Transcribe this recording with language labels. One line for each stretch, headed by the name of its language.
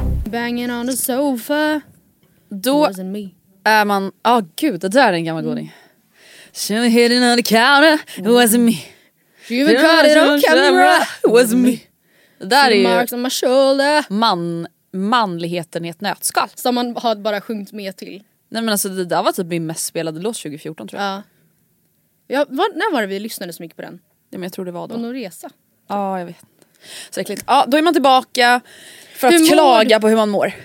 English: Banging on the sofa. Då wasn't me.
Swedish: Är man, gud, det där är en gammal godning.
English: She was hitting on the counter, it wasn't me. She even caught it on camera, it wasn't me.
Swedish: Det där
English: she
Swedish: är
English: marks on my shoulder.
Swedish: Manligheten i ett nötskal. Som man har bara sjungit med till. Nej, men alltså det där var typ min mest spelade låt 2014, tror jag. Ja, var, när var det vi lyssnade så mycket på den? Ja, men jag tror det var då. På någon resa. Ja, jag vet. Säkert. Ja, då är man tillbaka för att klaga på hur man mår.